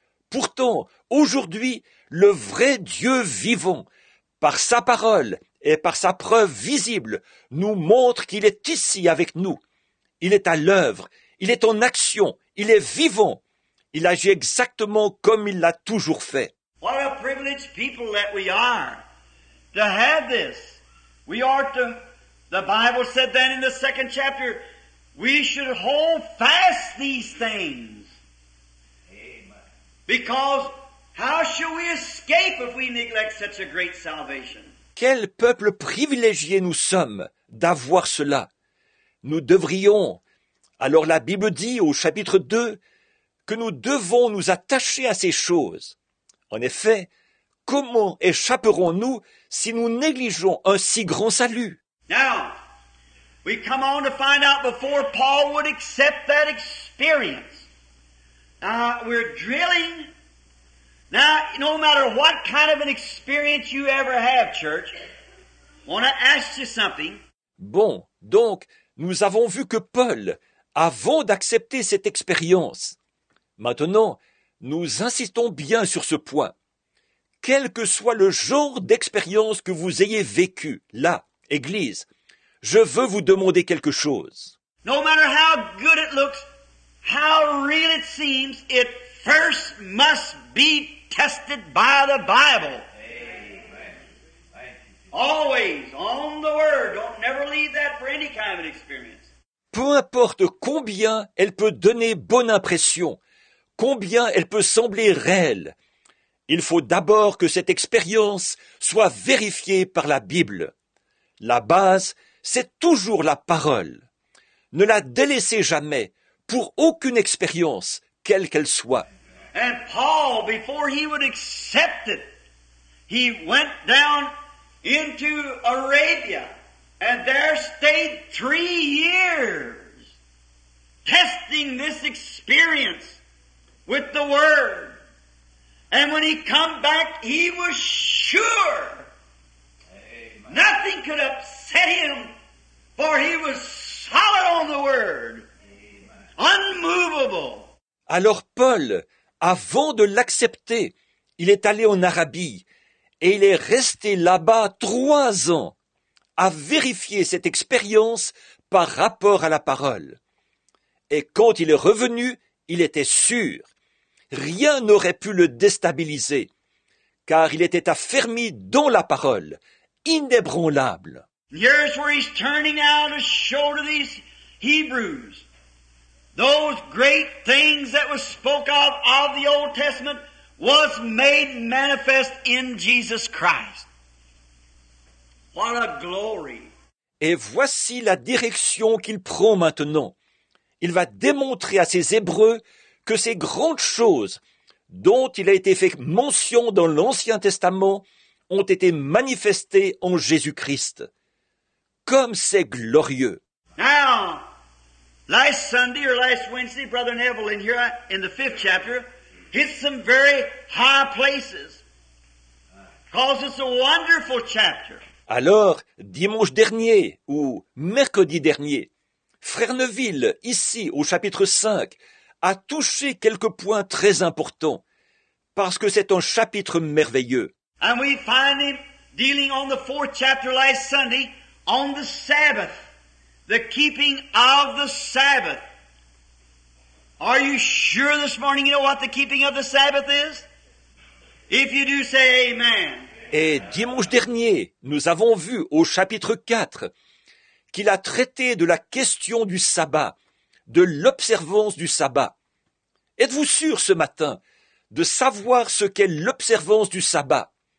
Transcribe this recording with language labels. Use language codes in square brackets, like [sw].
[fr] Pourtant, aujourd'hui, le vrai Dieu vivant, par sa parole et par sa preuve visible, nous montre qu'il est ici avec nous. Il est à l'œuvre, il est en action, il est vivant. Il agit exactement comme il l'a toujours fait. [en] What a privileged people that we are to have this. We are to, the Bible said then in the second chapter, we should hold fast these things. Because how shall we escape if we neglect such a great salvation? [fr] Quel peuple privilégié nous sommes d'avoir cela. Nous devrions, alors la Bible dit au chapitre 2, que nous devons nous attacher à ces choses. En effet, comment échapperons-nous si nous négligeons un si grand salut? [en] Now, we come on to find out before Paul would accept that experience. We're drilling. Now, no matter what kind of an experience you ever have, church, I want to ask you something. [fr] Bon, donc, nous avons vu que Paul, avant d'accepter cette expérience, maintenant, nous insistons bien sur ce point. Quel que soit le genre d'expérience que vous ayez vécu, là, Église, je veux vous demander quelque chose. [en] No matter how good it looks, how real it seems, it first must be tested by the Bible. Always on the Word. Don't never leave that for any kind of experience. [fr] Peu importe combien elle peut donner bonne impression, combien elle peut sembler réelle, il faut d'abord que cette expérience soit vérifiée par la Bible. La base, c'est toujours la parole. Ne la délaissez jamais pour aucune expérience, quelle qu'elle soit. [en] And Paul, before he would accept it, he went down into Arabia and there stayed 3 years testing this experience with the word. And when he come back, he was sure. Amen. Nothing could upset him, for he was solid on the word. Amen. Unmovable. [fr] Alors Paul, avant de l'accepter, il est allé en Arabie et il est resté là-bas 3 ans à vérifier cette expérience par rapport à la parole. Et quand il est revenu, il était sûr. Rien n'aurait pu le déstabiliser, car il était affermi dans la parole, inébranlable. [en] Here's where he's turning out to show to these Hebrews those great things that was spoke of the Old Testament was made manifest in Jesus Christ. What a glory! [fr] Et voici la direction qu'il prend maintenant. Il va démontrer à ces Hébreux que ces grandes choses dont il a été fait mention dans l'Ancien Testament ont été manifestées en Jésus-Christ. Comme c'est glorieux. [en] Now, last Sunday or last Wednesday, Brother Neville in here in the fifth chapter hit some very high places. Because it's a wonderful chapter. [fr] Alors, dimanche dernier ou mercredi dernier, Frère Neville, ici au chapitre 5, a touché quelques points très importants, parce que c'est un chapitre merveilleux. [en] And we find him dealing on the fourth chapter last Sunday on the Sabbath, the keeping of the Sabbath. Are you sure this morning you know what the keeping of the Sabbath is? If you do, say amen. [fr] Et dimanche dernier, nous avons vu au chapitre 4 qu'il a traité de la question du sabbat, de l'observance du sabbat. Êtes-vous sûr ce matin de savoir ce qu'est l'observance du sabbat?